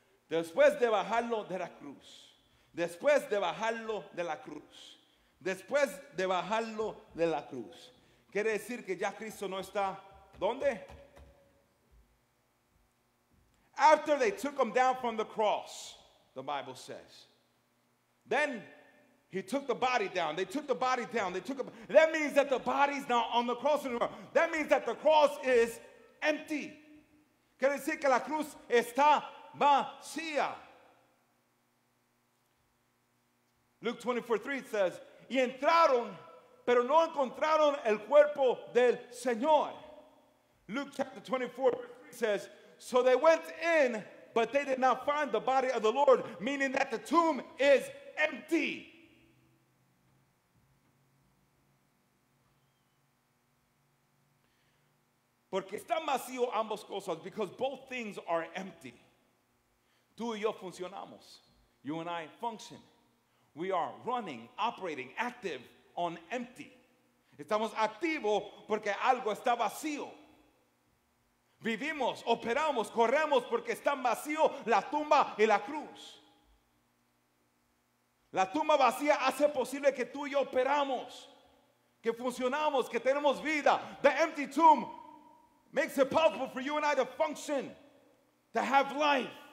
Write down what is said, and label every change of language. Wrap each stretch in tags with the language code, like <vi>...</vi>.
<es>Después de bajarlo de la cruz, después de bajarlo de la cruz, después de bajarlo de la cruz, quiere decir que ya Cristo no está, ¿dónde?</es> <en>After they took him down from the cross, the Bible says. Then he took the body down. They took the body down. They took him. That means that the body's not on the cross anymore. That means that the cross is empty.</en> <es>Quiere decir que la cruz está vacía.</es> <en>Luke 24:3 says,</en> <es>y entraron, pero no encontraron el cuerpo del Señor.</es> <en>Luke chapter 24:3 says, so they went in, but they did not find the body of the Lord, meaning that the tomb is empty.</en> <es>Porque están vacíos ambas cosas,</es> <en>because both things are empty.</en> <es>Tú y yo funcionamos.</es> <en>You and I function. We are running, operating, active on empty.</en> <es>Estamos activos porque algo está vacío. Vivimos, operamos, corremos porque están vacíos la tumba y la cruz. La tumba vacía hace posible que tú y yo operamos, que funcionamos, que tenemos vida.</es> <en>The empty tomb makes it possible for you and I to function, to have life.</en>